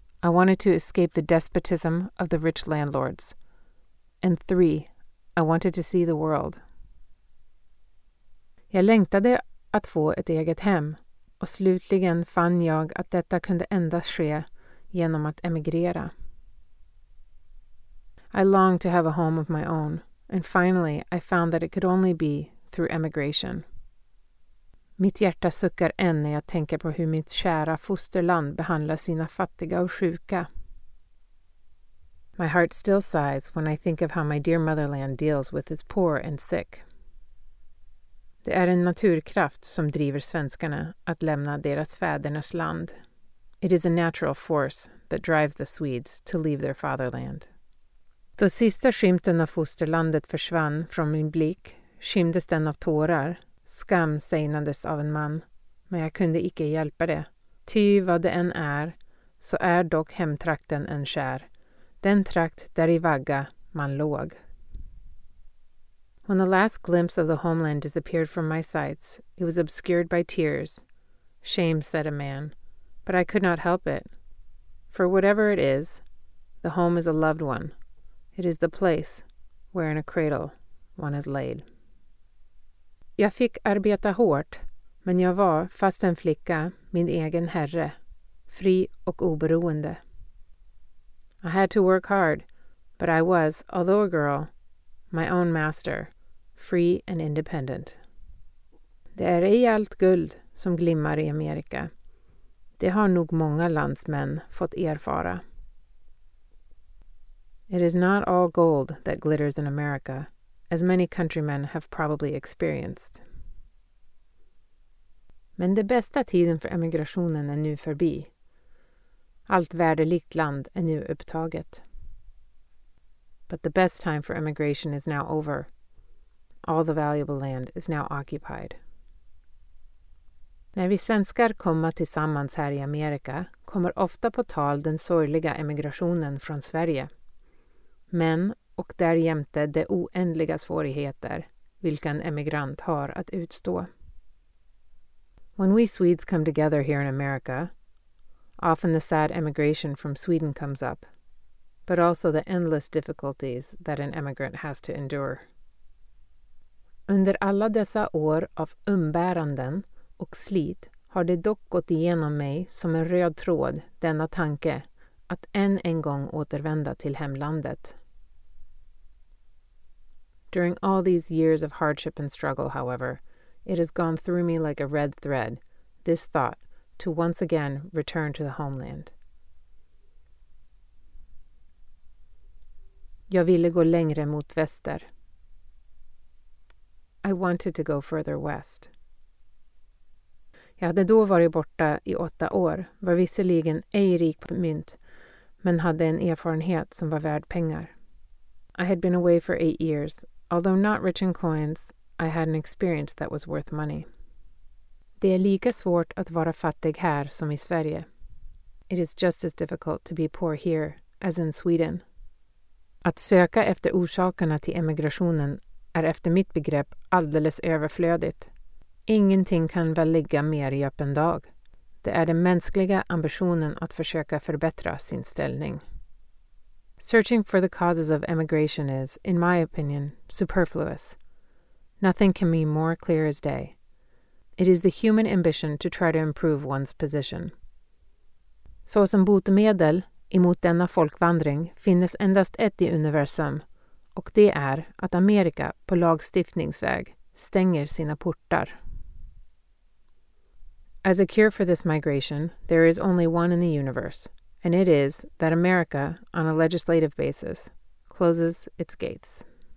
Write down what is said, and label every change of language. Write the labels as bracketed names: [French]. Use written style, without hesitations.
[English] I wanted to escape the despotism of the rich landlords. And 3. I wanted to see the world. [Swedish] Jag längtade att få ett eget hem och slutligen fann jag att detta kunde endast ske genom att emigrera. [English] I longed to have a home of my own and finally I found that it could only be through emigration. [Swedish] Mitt hjärta suckar än när jag tänker på hur mitt kära fosterland behandlar sina fattiga och sjuka. [English] My heart still sighs when I think of how my dear motherland deals with its poor and sick. [Swedish] Det är en naturkraft som driver svenskarna att lämna deras fädernas land. [English] It is a natural force that drives the Swedes to leave their fatherland. [Swedish] Då sista skymten av fosterlandet försvann från min blick, skymdes den av tårar. Skam sägnades av en man, men jag kunde icke hjälpa det. Ty vad det än är, så är dock hemtrakten en kär. Den trakt där i vagga man låg. [English] When the last glimpse of the homeland disappeared from my sights, it was obscured by tears. Shame, said a man, but I could not help it. For whatever it is, the home is a loved one. It is the place where in a cradle one is laid. [Swedish] Jag fick arbeta hårt, men jag var, fast en flicka, min egen herre, fri och oberoende. [English] I had to work hard, but I was, although a girl, my own master, free and independent. [Swedish] Det är rejält guld som glimmar i Amerika. Det har nog många landsmän fått erfara. [English] It is not all gold that glitters in America, as many countrymen have probably experienced. [Swedish] Men det bästa tiden för emigrationen är nu förbi. Allt värdelikt land är nu upptaget. [English] But the best time for emigration is now over. All the valuable land is now occupied. [Swedish] När vi svenskar kommer tillsammans här i Amerika kommer ofta på tal den sorgliga emigrationen från Sverige. Men, och därjämte de oändliga svårigheter vilken emigrant har att utstå. [English] When we Swedes come together here in America, often the sad emigration from Sweden comes up, but also the endless difficulties that an emigrant has to endure. [Swedish] Under alla dessa år av umbäranden och slit har det dock gått igenom mig som en röd tråd denna tanke att än en gång återvända till hemlandet. [English] During all these years of hardship and struggle, however, it has gone through me like a red thread, this thought, to once again return to the homeland. [Swedish] Jag ville gå längre mot väster. [English] I wanted to go further west. [Swedish] Jag hade då varit borta i 8 år, var visserligen ej rik på mynt, men hade en erfarenhet som var värd pengar. [English] I had been away for 8 years. Although not rich in coins, I had an experience that was worth money. [Swedish] Det är lika svårt att vara fattig här som i Sverige. [English] It is just as difficult to be poor here as in Sweden. [Swedish] Att söka efter orsakerna till emigrationen är efter mitt begrepp alldeles överflödigt. Ingenting kan väl ligga mer i öppen dag. Det är den mänskliga ambitionen att försöka förbättra sin ställning. [English] Searching for the causes of emigration is, in my opinion, superfluous. Nothing can be more clear as day. It is the human ambition to try to improve one's position. [Swedish] Så som botemedel emot denna folkvandring finns endast ett i universum, och det är att Amerika på lagstiftningsväg stänger sina portar. [English] As a cure for this migration, there is only one in the universe. And it is that America, on a legislative basis, closes its gates.